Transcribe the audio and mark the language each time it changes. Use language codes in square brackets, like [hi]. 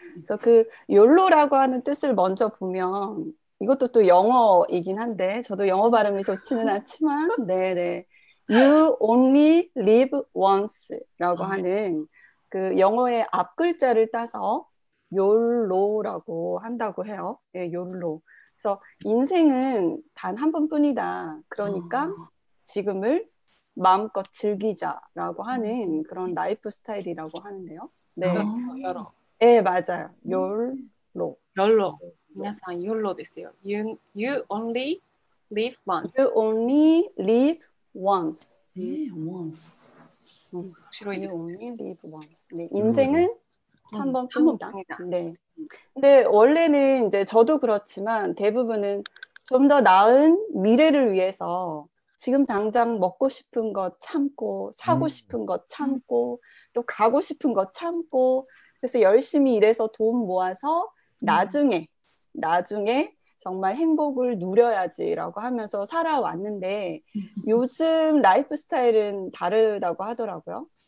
[ko] 그래서그욜로라고하는뜻을먼저보면이것도또영어이긴한데저도영어발음이좋지는 않지만네네 [en] You only live once [ko] 라고하는그영어의앞글자를따서욜로라고한다고해요네욜로그래서인생은단한번뿐이다그러니까지금을마음껏즐기자라고하는그런라이프스타일이라고하는데요 네 예맞아요욜로 [ja] 욜로皆さん욜로ですよ [en] you only live once you only live once [ko] 네 [en] once [ko] 실화 [en] you only live once [ko] 네인생은한번뿐이다 네 근데 원래는 이제 저도 그렇지만 대부분은 좀 더 나은 미래를 위해서 지금 당장 먹고 싶은 것 참고 사고 싶은 것 참고 또 가고 싶은 것 참고 그래서 열심히 일해서 돈 모아서 나중에 나중에 정말 행복을 누려야지라고 하면서 살아왔는데 요즘 라이프 스타일은 다르다고 하더라고요.